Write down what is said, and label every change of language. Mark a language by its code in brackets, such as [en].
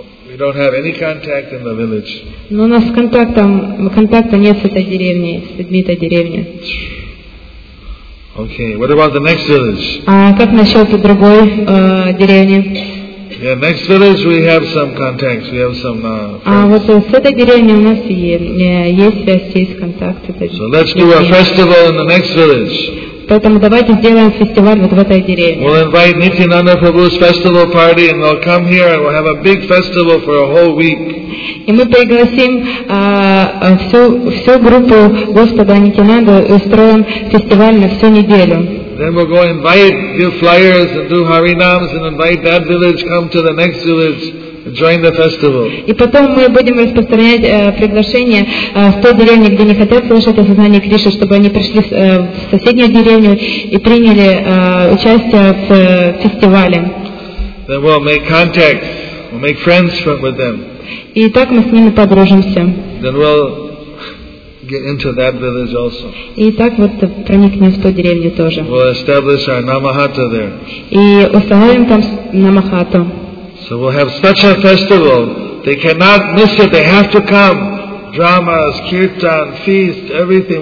[en] We don't have any contact in the village. [ru] Но у нас контакта нет с этой деревней, с людьми этой деревни. [en] Okay, what about the next village? [ru] А как насчет другой деревни? [en] Yeah, next village we have some contacts, we have some friends. [ru] А вот с этой деревней у нас есть связь, есть контакт. [en] So let's do a festival in the next village. [ru] Поэтому давайте сделаем фестиваль вот в этой деревне. [en] We'll invite Nityananda Prabhu's festival party and they'll come here and we'll have a big festival for a whole week. [ru] И мы пригласим всю группу Господа Нитянанду и устроим фестиваль на всю неделю. [en] Then we'll go invite, give flyers and do harinams and invite that village, come to the next village. Join the festival. [ru] И потом мы будем распространять приглашение в той деревне, где не хотят слышать о сознании Кришны, чтобы они пришли в соседнюю деревню и приняли участие в фестивале. [en] Then we'll make contacts, we'll make friends with them. [ru] И так мы с ними подружимся. [en] Then we'll get into that village also. [ru] И так вот проникнем в ту деревню тоже. [en] We'll establish our Namahata there. [ru] И установим там Намахату. [en] So we'll have such a festival. They cannot miss it. They have to come. Dramas, kirtan, feast, everything.